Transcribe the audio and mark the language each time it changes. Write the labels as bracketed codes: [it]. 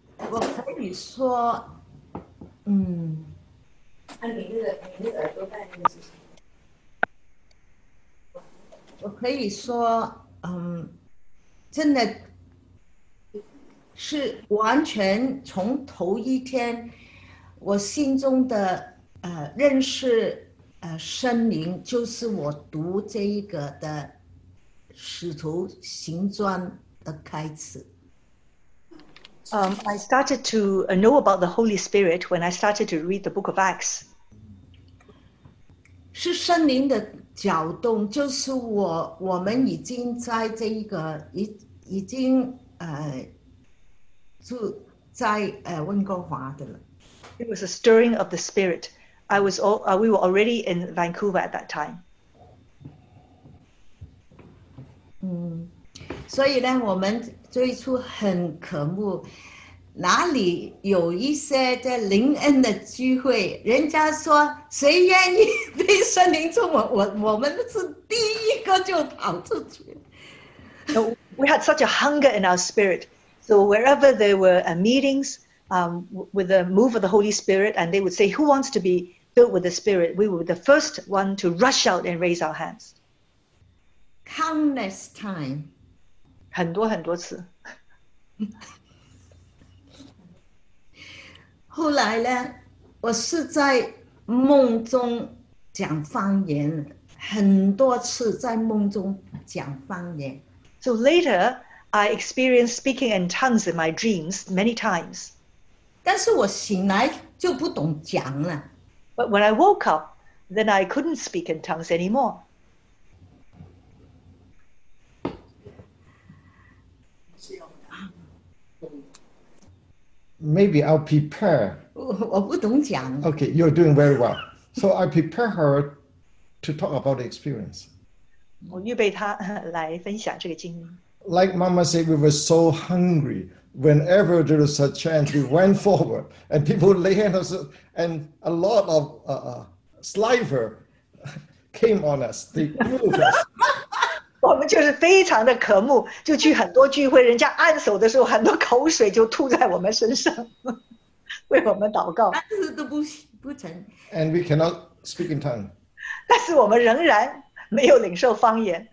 [zh] 我可以说，我可以说，真的是完全从头一天，我心中的认识圣灵，就是我读这一个的《使徒行传》的开始。 [en] I started to know about the Holy Spirit when I started to read the Book of Acts. [zh] 是圣灵的搅动，就是我们已经在这一个已经住在温哥华的了。 [en] It was a stirring of the Spirit. We were already in Vancouver at that time. [zh] 所以呢，我们最初很渴慕。哪里有一些的灵恩的聚会？人家说谁愿意被圣灵充满？我们是第一个就跑出去。 [en] So, we had such a hunger in our spirit. So wherever there were meetings, with the move of the Holy Spirit, and they would say, "Who wants to be filled with the Spirit?" We were the first one to rush out and raise our hands. Countless time. [zh] 很多很多次。后来呢，我是在梦中讲方言，很多次在梦中讲方言。 [en] So later, I experienced speaking in tongues in my dreams many times. [zh] 但是我醒来就不懂讲了。 [en] But when I woke up, then I couldn't speak in tongues anymore. [zh] 是啊。 [en] Maybe I'll prepare. [zh] 我不懂讲。 [en] Okay, you're doing very well. So I prepare her to talk about the experience. [zh] 我预备她来分享这个经历。 [en] Like Mama said, we were so hungry. Whenever there was a chance, we went forward. And people lay hands on us, and a lot of saliva came on us. They moved us. [zh] 我们就是非常的渴慕，就去很多聚会，人家按手的时候，很多口水就吐在我们身上。为我们祷告，但是都不成。 [en] And we cannot speak in tongue. [zh] 但是我们仍然没有领受方言。